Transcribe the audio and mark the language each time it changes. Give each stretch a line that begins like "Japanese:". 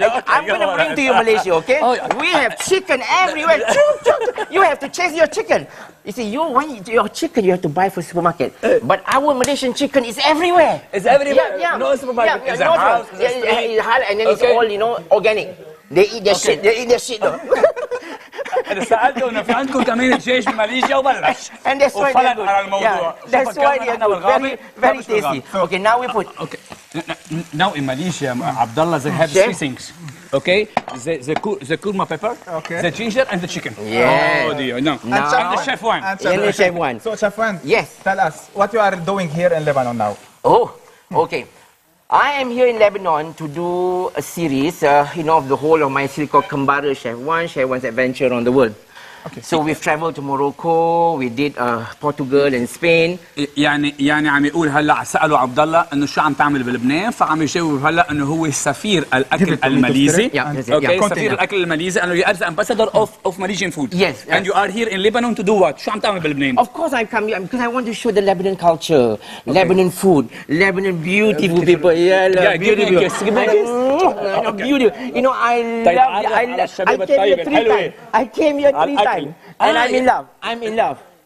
English: I'm going to bring to you Malaysia, okay? We have chicken everywhere. You have to chase your chicken. You see, your chicken you have to buy for supermarket. But our Malaysian chicken is everywhere. It's everywhere. Yeah. No supermarket. Yeah, it's house. It's halal, and then it's all, you know, organic. They eat their shit. They eat their shit, though.
Arabic: انا سالته انه في عندكم كمان دجاج بماليزيا وبلش
English: and that's why
Arabic: وفلق على الموضوع
English: that's why they are very tasty. Okay now we put now in Malaysia Abdullah they have three things. Okay, the kurma pepper, okay. The ginger and the chicken. Yeah. Oh dear. No. And the chef one. And the chef one. So chef one. Yes. Tell us what you are doing here in Lebanon now. Oh. Okay. I am here in Lebanon to do a series, you know, of the whole of my series called Kembara Chef One, Chef One's Adventure on the World. Okay. So we've traveled to Morocco, we did Portugal and Spain.
Arabic: يعني عم يقول هلا سألوا عبد الله إنه شو عم تعمل بلبنان فعم يجاوب هلا إنه هو سفير الأكل الماليزي.
English: Okay.
Arabic: سفير الأكل الماليزي إنه
English: you are the ambassador of Malaysian food. Yes. And you are here in Lebanon to do what?
Arabic: شو عم تعمل بلبنان؟
English: Of course I come here because I want to show the Lebanon culture, Lebanon food, Lebanon beautiful people. Yeah, beautiful. You know I came here three times. And I'm in love. I'm in love.